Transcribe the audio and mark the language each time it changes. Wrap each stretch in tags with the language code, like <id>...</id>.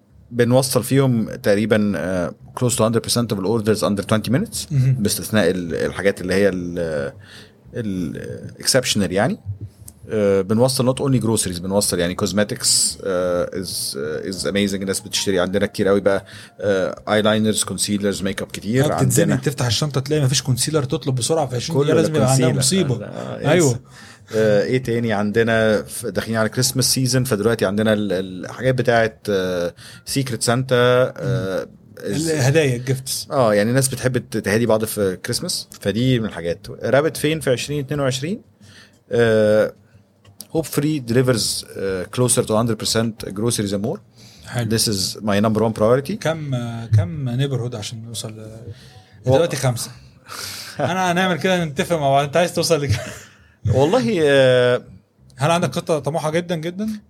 <ar>بنوصل فيهم تقريبا</ar> <en>close to 100% of the orders under 20 minutes</en> <ar>باستثناء الحاجات اللي هي الـ exceptional يعني. بنوصل</ar> <en>not only groceries</en> <ar>بنوصل يعني</ar> <en>cosmetics is amazing.</en> <ar>الناس بتشتري عندنا كتير قوي بقى</ar> <en>eyeliners concealers make up</en> <ar>كتير عندنا. تفتح الشنطة تلاقي ما فيش concealer تطلب بسرعة في 20 دقيقة لازم يبقى عندنا مصيبة. ايوه ايه تاني عندنا داخلين على</ar> <en>Christmas season</en> <ar>فدلوقتي عندنا الحاجات بتاعت</ar> <en>secret santa</en> <ar>الهدايا gifts يعني الناس بتحب تهدي بعض في Christmas فدي من الحاجات. رابط فين في 2022؟</ar> <en>hopefully delivers closer to 100% groceries and more.</en> <ar>حلو.</ar> <en>This is my number one priority.</en> <ar>كم neighborhood عشان نوصل دلوقتي خمسة؟ أنا نعمل كده نتفق مع بعض. أنت عايز توصل لك؟ والله هل عندك خطة طموحة جدا جدا</ar>